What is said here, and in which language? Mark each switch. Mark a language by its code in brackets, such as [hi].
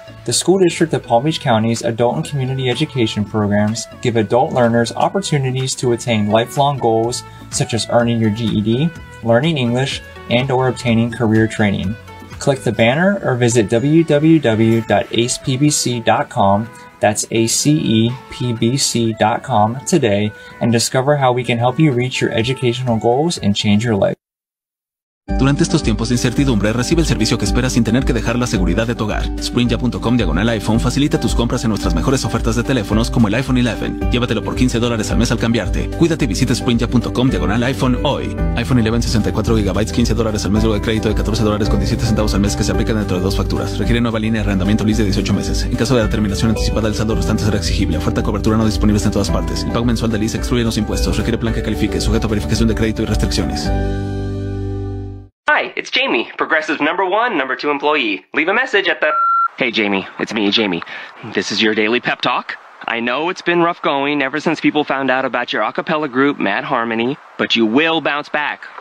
[en] The school district of Palm Beach County's adult and community education programs give adult learners opportunities to attain lifelong goals such as earning your GED, learning English, and or obtaining career training. Click the banner or visit www.acepbc.com. That's acepbc.com today and discover how we can help you reach your educational goals and change your life. [es] Durante estos tiempos de incertidumbre, recibe el servicio que esperas sin tener que dejar la seguridad de tu hogar. Sprintya.com/iPhone facilita tus compras en nuestras mejores ofertas de teléfonos como el iPhone 11. Llévatelo por $15 al mes al cambiarte. Cuídate y visita Sprintya.com/iPhone hoy. iPhone 11 64GB, $15 al mes luego de crédito de $14.17 al mes que se aplica dentro de dos facturas. Requiere nueva línea de arrendamiento lease de 18 meses. En caso de determinación anticipada, el saldo restante será exigible. Oferta de cobertura no disponible en todas partes. El pago mensual de lease excluye los impuestos. Requiere plan que califique, sujeto a verificación de crédito y restricciones. [en] Hi, it's Jamie, Progressive number one, number two employee. Leave a message at the... Hey, Jamie, it's me, Jamie. This is your daily pep talk. I know it's been rough going ever since people found out about your a cappella group, Mad Harmony, but you will bounce back.